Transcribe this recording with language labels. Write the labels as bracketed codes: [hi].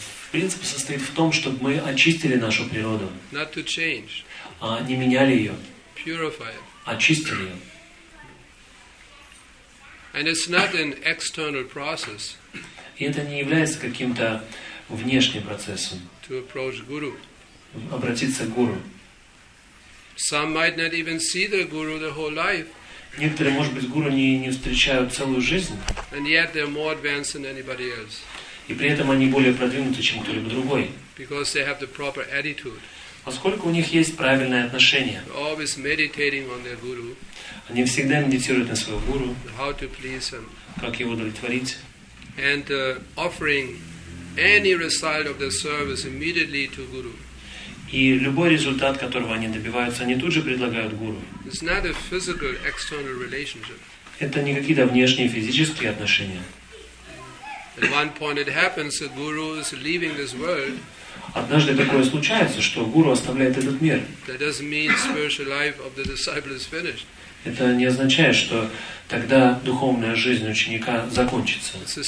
[ru] Принцип состоит в том, чтобы мы очистили нашу природу. [en] Not to change. [ru] А не меняли ее. [en] Purify. [ru] Очистили ее. [en] And it's not an external process. [ru] И это не является каким-то внешним процессом. [en] To approach guru. [ru] Обратиться к гуру. [en] Some might not even see the guru the whole life. [ru] Некоторые, может быть, гуру не встречают целую жизнь. [en] And yet they're more advanced than anybody else. [ru] И при этом они более продвинуты, чем кто-либо другой. [en] Because they have the proper attitude. [ru] Поскольку у них есть правильное отношение. [en] They're always meditating on their guru. [ru] Они всегда медитируют на своего гуру. [en] How to please him. [ru] Как его удовлетворить. [en] And offering any result of the service immediately to guru. [ru] И любой результат, которого они добиваются, они тут же предлагают гуру. [en] It's not a physical external relationship. [ru] Это не какие-то внешние физические отношения. [en] At one point it happens that guru is leaving this world. [ru] Однажды такое случается, что гуру оставляет этот мир. [en] That doesn't mean spiritual life of the disciple is finished. [ru] Это не означает, что тогда духовная жизнь ученика закончится.